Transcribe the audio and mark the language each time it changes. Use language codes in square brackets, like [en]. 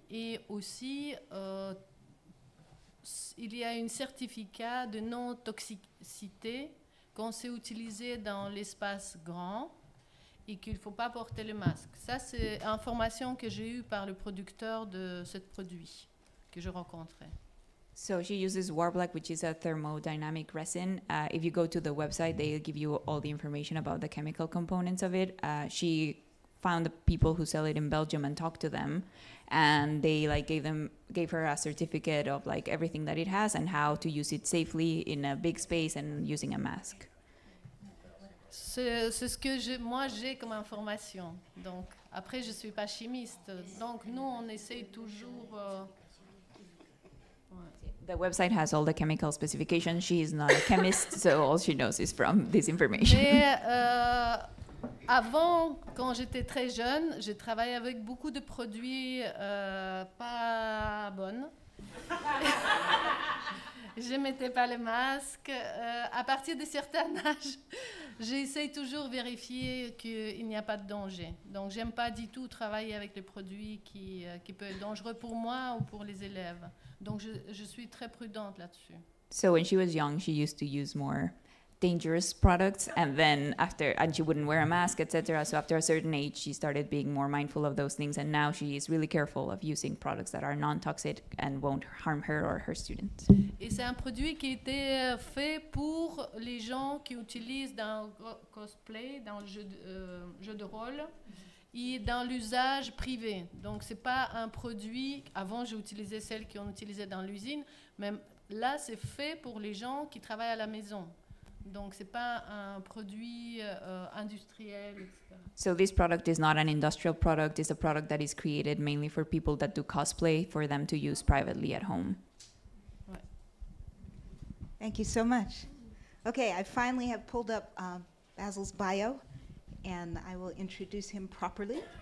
[fr] Et aussi, il y a un certificat de non-toxicité qu'on sait utiliser dans l'espace grand. Et qu'il ne faut pas porter le masque. Ça, c'est information que j'ai eue par le producteur de ce produit que je rencontrais. [en] So she uses Warblack, which is a thermodynamic resin. If you go to the website, they give you all the information about the chemical components of it. She found the people who sell it in Belgium and talked to them, and they like gave her a certificate of like everything that it has and how to use it safely in a big space and using a mask. [fr] C'est ce que j'ai comme information. Donc, après, je ne suis pas chimiste. Donc, nous, on essaye toujours... [en] The website has all the chemical specifications. She is not a chemist, so all she knows is from this information. [fr] Mais avant, quand j'étais très jeune, j'ai travaillé avec beaucoup de produits pas bons. Je ne mettais pas le masque. À partir de certains âges, j'essaie toujours de vérifier qu'il n'y a pas de danger. Donc, je n'aime pas du tout travailler avec les produits qui peuvent être dangereux pour moi ou pour les élèves. Donc, je suis très prudente là-dessus. [en] So, when she was young, she used to use more dangerous products, and then after, and she wouldn't wear a mask, etc. So, after a certain age, she started being more mindful of those things, and now she is really careful of using products that are non-toxic and won't harm her or her students. [fr] Et c'est un produit qui était fait pour les gens qui utilisent dans cosplay, dans le jeu de rôle, et dans l'usage privé. Donc, c'est pas un produit, avant j'ai utilisé celle qu'on utilisait dans l'usine, mais là c'est fait pour les gens qui travaillent à la maison. Donc, c'est pas un produit industriel, etc. [en] So this product is not an industrial product. It's a product that is created mainly for people that do cosplay, for them to use privately at home. Thank you so much. Okay, I finally have pulled up Basil's bio, and I will introduce him properly.